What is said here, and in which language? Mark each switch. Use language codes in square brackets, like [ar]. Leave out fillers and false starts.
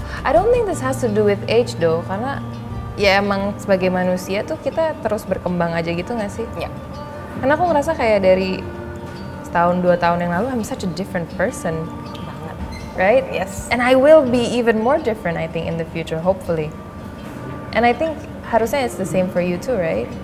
[en] I don't think this has to do with age though. [id] Karena ya emang sebagai manusia tuh kita terus berkembang aja gitu gak sih? Yeah. Karena aku ngerasa kayak dari setahun dua tahun yang lalu, [en] I'm such a different person. [id] Banget. [en] Right? Yes. And I will be even more different, I think, in the future, hopefully. And I think [id] harusnya [en] it's the same for you too, right?